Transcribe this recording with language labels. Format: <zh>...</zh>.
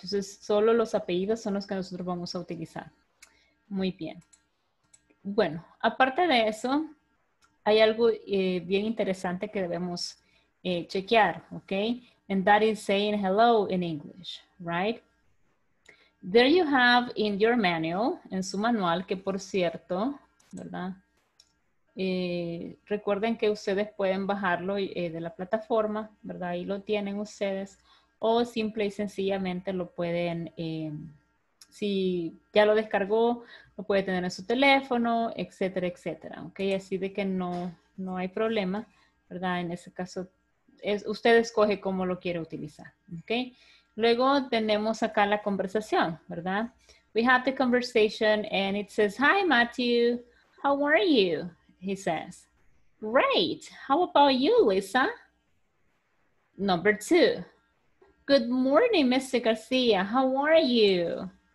<es>Entonces, solo los apellidos son los que nosotros vamos a utilizar. Muy bien. Bueno, aparte de eso, hay algo bien interesante que debemos chequear, ¿ok?</es> <en>And that is saying hello in English, right? There you have in your manual,</en> <es>en su manual, que por cierto, ¿verdad? Recuerden que ustedes pueden bajarlo de la plataforma, ¿verdad? Ahí lo tienen ustedes. O simple y sencillamente lo pueden... Si ya lo descargó, lo puede tener en su teléfono, etcétera, etcétera. ¿Okay? Así de que no hay problema, ¿verdad? En ese caso, usted escoge cómo lo quiere utilizar. ¿Okay? Luego tenemos acá la conversación, ¿verdad?</es> <en>We have the conversation and it says, hi, Matthew, how are you? He says, great, how about you, Lisa? Number two, good morning, Mr. Garcia, how are you?</en>